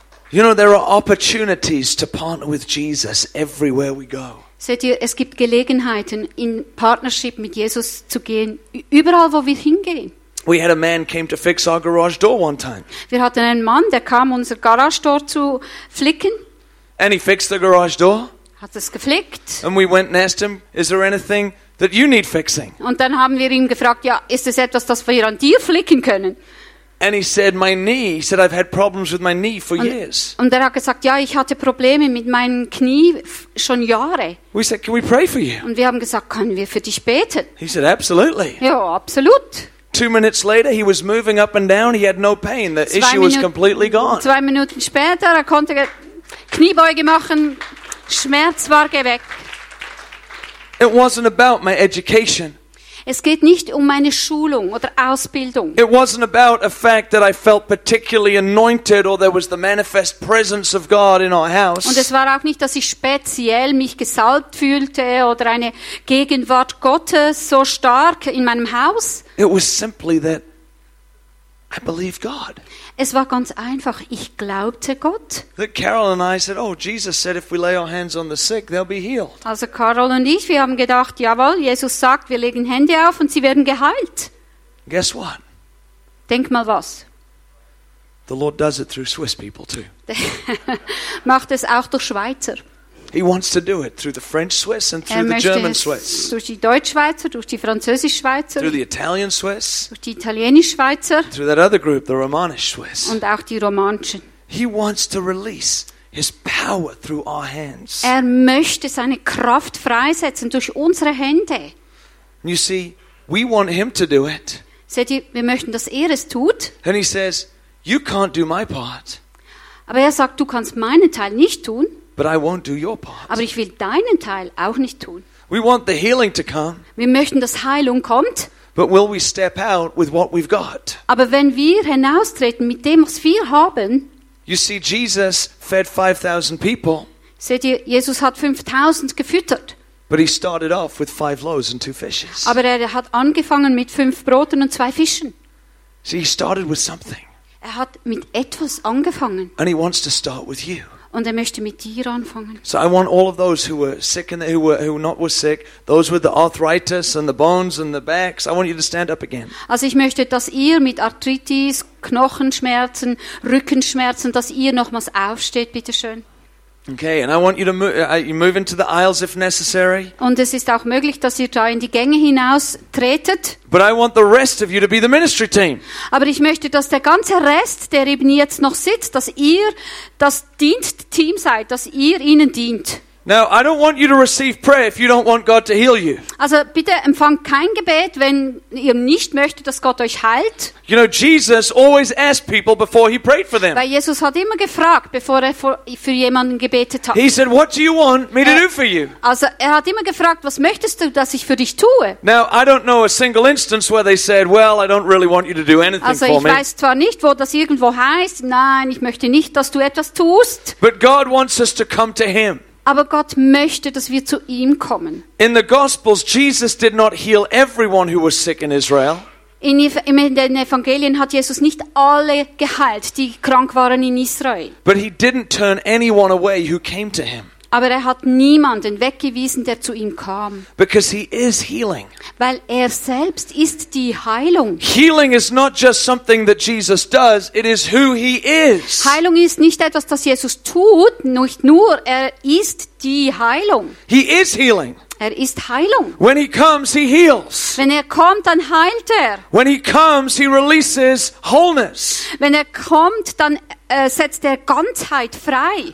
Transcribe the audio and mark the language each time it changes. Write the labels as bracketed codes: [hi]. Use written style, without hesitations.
[en] You know, there are opportunities to partner with Jesus everywhere we go. [de] Seht ihr, es gibt Gelegenheiten, in Partnership mit Jesus zu gehen, überall, wo wir hingehen. [en] We had a man came to fix our garage door one time. [de] Wir hatten einen Mann, der kam, unser Garagentor zu flicken. [en] And he fixed the garage door. [de] Hat es geflickt. [en] And we went and asked him, "Is there anything that you need fixing?" [de] Und dann haben wir ihn gefragt, ja, ist es etwas, das wir an dir flicken können? [en] And he said, "My knee." He said, "I've had problems with my knee for years." [de] Und er hat gesagt, ja, ich hatte Probleme mit meinem Knie schon Jahre. [en] We said, "Can we pray for you?" [de] Und wir haben gesagt, können wir für dich beten? [en] He said, "Absolutely." [de] Ja, absolut. [en] 2 minutes later, he was moving up and down. He had no pain. The issue was completely gone. [de] 2 Minuten später, konnte Kniebeuge machen. Schmerz war weg. [en] It wasn't about my education. [de] Es geht nicht um meine Schulung oder Ausbildung. [en] It wasn't about a fact that I felt particularly anointed or there was the manifest presence of God in our house. [de] Und es war auch nicht, dass ich speziell mich gesalbt fühlte oder eine Gegenwart Gottes so stark in meinem Haus. [en] It was simply that I believed God. [de] Es war ganz einfach, ich glaubte Gott. [en] That Carol and I said, "Oh, Jesus said if we lay our hands on the sick, they'll be healed." [de] Also Carol und ich, wir haben gedacht, jawohl, Jesus sagt, wir legen Hände auf und sie werden geheilt. [en] Guess what? [de] Denk mal was. [en] The Lord does it through Swiss people too. [de] Macht es auch durch Schweizer. [en] He wants to do it through the French Swiss and through the German Swiss. [de] Durch die Deutschschweizer, durch die Französischschweizer. [en] Through the Italian Swiss. [de] Durch die Italienischschweizer. [en] Through that other group, the Romanish Swiss. [de] Und auch die Romanischen. [en] He wants to release his power through our hands. [de] Möchte seine Kraft freisetzen durch unsere Hände. [en] You see, we want him to do it. [de] Seht ihr, wir möchten, dass es tut. [en] And he says, "You can't do my part." [de] Aber sagt, du kannst meinen Teil nicht tun. [en] But I won't do your part. [de] Aber ich will deinen Teil auch nicht tun. [en] We want the healing to come. [de] Wir möchten, dass Heilung kommt. [en] But will we step out with what we've got? [de] Aber wenn wir hinaustreten mit dem, was wir haben. [en] You see, Jesus fed 5,000 people. [de] Seht ihr, Jesus hat 5,000 gefüttert. [en] But he started off with 5 loaves and 2 fishes. [de] Aber hat angefangen mit 5 Broten und 2 Fischen. [en] See, he started with something. [de] Er hat mit etwas angefangen. [en] And he wants to start with you. [de] Und er möchte mit dir anfangen. [en] So I want all of those who were sick and who were not sick, those with the arthritis and the bones and the backs, I want you to stand up again. [de] Also ich möchte, dass ihr mit Arthritis, Knochenschmerzen, Rückenschmerzen, dass ihr nochmals aufsteht, bitteschön. [en] Okay, and I want you to move into the aisles if necessary. [de] Und es ist auch möglich, dass ihr da in die Gänge hinaus tretet. [en] But I want the rest of you to be the ministry team. [de] Aber ich möchte, dass der ganze Rest, der eben jetzt noch sitzt, dass ihr das Dienstteam seid, dass ihr ihnen dient. [en] Now, I don't want you to receive prayer if you don't want God to heal you. [de] Also bitte empfangt kein Gebet, wenn ihr nicht möchtet, dass Gott euch heilt. [en] You know, Jesus always asked people before he prayed for them. [de] Weil Jesus hat immer gefragt, bevor er für jemanden gebetet hat. [en] He said, "What do you want me to do for you?" [de] Also er hat immer gefragt, was möchtest du, dass ich für dich tue? [en] Now, I don't know a single instance where they said, "Well, I don't really want you to do anything [de] also, [en] for me." [de] Also ich weiß zwar nicht, wo das irgendwo heißt, nein, ich möchte nicht, dass du etwas tust. [en] But God wants us to come to Him. [de] Aber Gott möchte, dass wir zu ihm kommen. [en] In the Gospels, Jesus did not heal everyone who was sick in Israel. [de] In den Evangelien hat Jesus nicht alle geheilt, die krank waren in Israel. [en] But he didn't turn anyone away who came to him. [de] Aber er hat niemanden weggewiesen, der zu ihm kam. [en] Because he is healing. [de] Weil er selbst ist die Heilung. [en] Healing is not just something that Jesus does, it is who he is. [de] Heilung ist nicht etwas, das Jesus tut, nicht nur, er ist die Heilung. [en] He is healing. [de] Er ist Heilung. [en] When he comes, he heals. [de] Wenn er kommt, dann heilt er. [en] When he comes, he releases wholeness. [de] Wenn er kommt, dann setzt er Ganzheit frei.